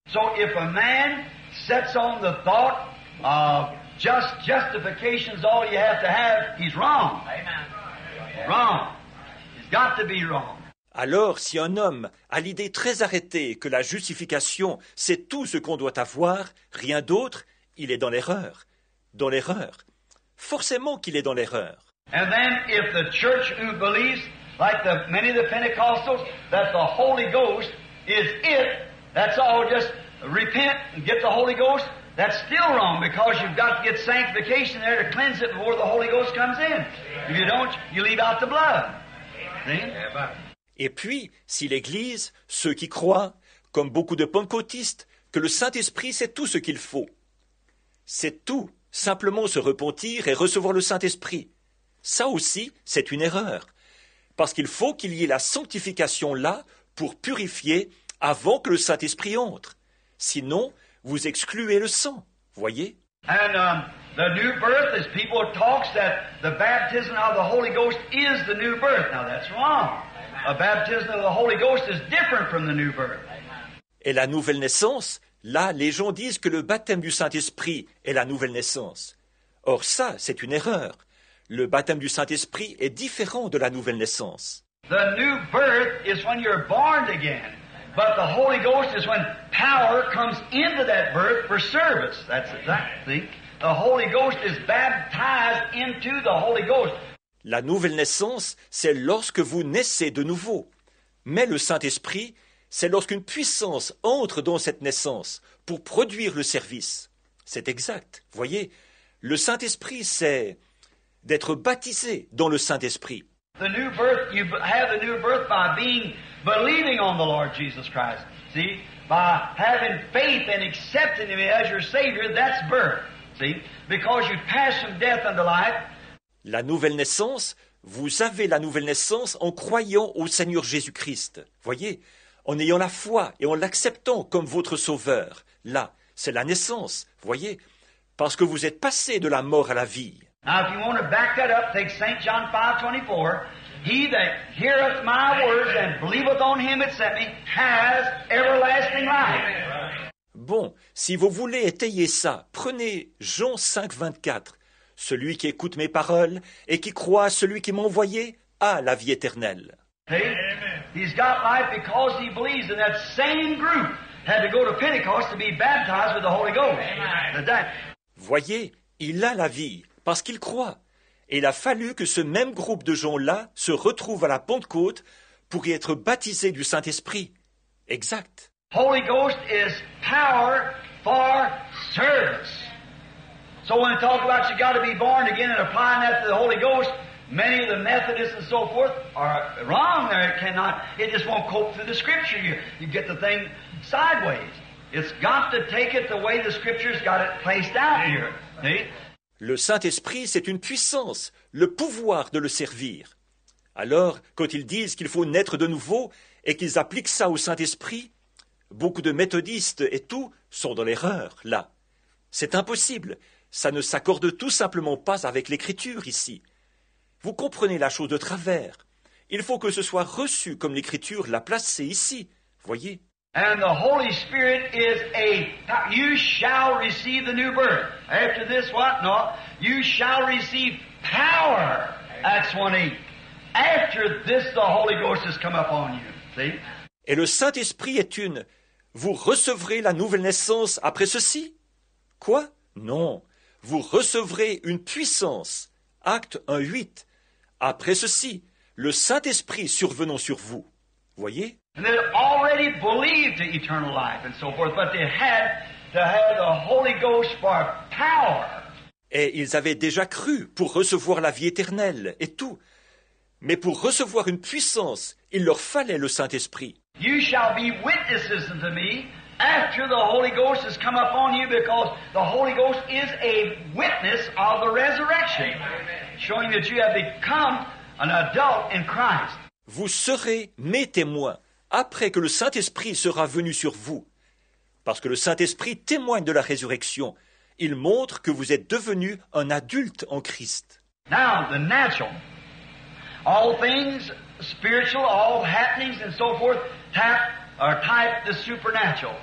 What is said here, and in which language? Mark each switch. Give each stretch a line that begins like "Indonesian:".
English: So if a man sets on the thought of just justification is all you have, he's wrong. Amen. Wrong. He's got to be wrong.
French: Alors, si un homme a l'idée très arrêtée que la justification c'est tout ce qu'on doit avoir, rien d'autre, il est dans l'erreur. Dans l'erreur. Forcément qu'il est dans l'erreur.
English: And then if the church who believes like the many of the Pentecostals, that the Holy Ghost is it. That's all, just repent and get the Holy Ghost. That's still wrong, because you've got to get sanctification there to cleanse it before the Holy Ghost comes in. If you don't, you leave out the blood. See?
French: Et puis, si l'Église, ceux qui croient, comme beaucoup de pentecôtistes, que le Saint-Esprit, c'est tout ce qu'il faut. C'est tout, simplement se repentir et recevoir le Saint-Esprit. Ça aussi, c'est une erreur. Parce qu'il faut qu'il y ait la sanctification là pour purifier avant que le Saint-Esprit entre. Sinon, vous excluez le sang, voyez.
English: And the new birth is people talk that the baptism of the Holy Ghost is the new birth. Now that's wrong. A baptism of the Holy Ghost is different from the new birth.
French: Et la nouvelle naissance, là, les gens disent que le baptême du Saint-Esprit est la nouvelle naissance. Or ça, c'est une erreur. Le baptême du Saint-Esprit est différent de la nouvelle naissance.
English: The new birth is when you're born again. But the Holy Ghost is when power comes into that birth for service. That's exactly. The Holy Ghost is baptized into the Holy Ghost.
French: La nouvelle naissance, c'est lorsque vous naissez de nouveau. Mais le Saint-Esprit, C'est lorsqu'une puissance entre dans cette naissance pour produire le service. C'est exact. Voyez, le Saint-Esprit, c'est d'être baptisé dans le Saint-Esprit.
English: The new birth, you have the new birth by being believing on the Lord Jesus Christ. See? By having faith and accepting Him as your Savior, that's birth. See? Because you pass from death unto life.
French: La nouvelle naissance, vous avez la nouvelle naissance en croyant au Seigneur Jésus-Christ. Voyez? En ayant la foi et en l'acceptant comme votre Sauveur. Là, c'est la naissance. Voyez? Parce que vous êtes passé de la mort à la vie.
English: Now, if you want to back that up, take St. John 5:24. He that heareth my words and believeth on him that sent me has everlasting life.
French: Bon, si vous voulez étayer ça, prenez Jean 5:24. Celui qui écoute mes paroles et qui croit à celui qui m'a envoyé a la vie éternelle.
English: He's got life because he believes, and that same group had to go to Pentecost to be baptized with the Holy Ghost.
French: Voyez, il a la vie. Parce qu'il croit. Et il a fallu que ce même groupe de gens-là se retrouve à la Pentecôte pour y être baptisé du Saint-Esprit. Exact.
English: Holy Ghost is power for service. So when I talk about you got to be born again and applying that to the Holy Ghost, many of the Methodists and so forth are wrong there. It cannot, it just won't cope through the Scripture. You get the thing sideways. It's got to take it the way the Scripture's got it placed out here. See?
French: Le Saint-Esprit, c'est une puissance, le pouvoir de le servir. Alors, quand ils disent qu'il faut naître de nouveau et qu'ils appliquent ça au Saint-Esprit, beaucoup de méthodistes et tout sont dans l'erreur, là. C'est impossible. Ça ne s'accorde tout simplement pas avec l'Écriture, ici. Vous comprenez la chose de travers. Il faut que ce soit reçu comme l'Écriture l'a placé ici, voyez.
English: And the Holy Spirit is a power. You shall receive the new birth. After this, what? No. You shall receive power. Acts 1:8. After this, the Holy Ghost has come upon you. See?
French: Et le Saint-Esprit est une. Vous recevrez la nouvelle naissance après ceci? Quoi? Non. Vous recevrez une puissance. Acte 1:8. Après ceci, le Saint-Esprit survenant sur vous. Voyez?
English: And they already believed in eternal life and so forth, but they had to have the Holy Ghost for power.
French: Et ils avaient déjà cru pour recevoir la vie éternelle et tout. Mais pour recevoir une puissance, il leur fallait le Saint-Esprit.
English: You shall be witnesses unto me after the Holy Ghost has come upon you, because the Holy Ghost is a witness of the resurrection. Amen. Showing that you have become an adult in Christ.
French: Vous serez mes témoins après que le Saint-Esprit sera venu sur vous. Parce que le Saint-Esprit témoigne de la résurrection. Il montre que vous êtes devenu un adulte en Christ.
English: Now, the natural. All things spiritual, all happenings and so forth, type the supernatural.